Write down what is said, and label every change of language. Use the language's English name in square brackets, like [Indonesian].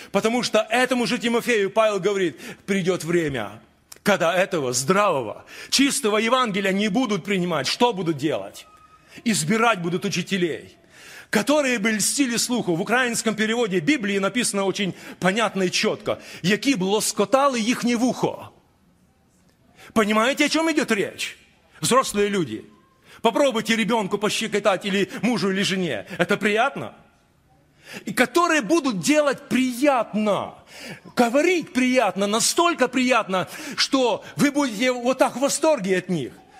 [Russian] Потому что этому же Тимофею Павел говорит, придет время, когда этого здравого, чистого Евангелия не будут принимать. Что будут делать? Избирать будут учителей, которые бы льстили слуху. В украинском переводе Библии написано очень понятно и четко. [Ukrainian] «Які б лоскотали їхнє вухо». [Russian] Понимаете, о чем идет речь? Взрослые люди. Попробуйте ребенку пощекотать или мужу, или жене. Это приятно? И которые будут делать приятно, говорить приятно, настолько приятно, что вы будете вот так в восторге от них.